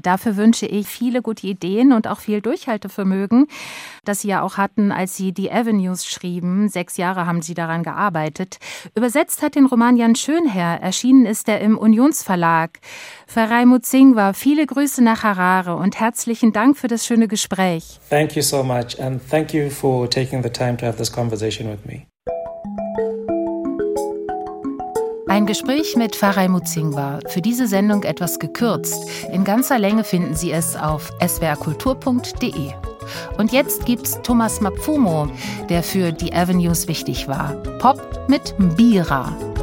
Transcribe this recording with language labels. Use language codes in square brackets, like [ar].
[de] Dafür wünsche ich viele gute Ideen und auch viel Durchhaltevermögen, das Sie ja auch hatten, als Sie The Avenues schrieben. 6 Jahre haben Sie daran gearbeitet. Übersetzt hat den Roman Jan Schönherr. Erschienen ist er im Unionsverlag. Pfarrei Mudzingwa, viele Grüße nach Harare und herzlichen Dank für das schöne Gespräch. [en] Thank you so much and thank you for taking the time to have this conversation with me. [de] Ein Gespräch mit Pfarrei Mudzingwa, für diese Sendung etwas gekürzt. In ganzer Länge finden Sie es auf swrkultur.de. Und jetzt gibt's Thomas Mapfumo, der für die Avenues wichtig war. Pop mit Mbira.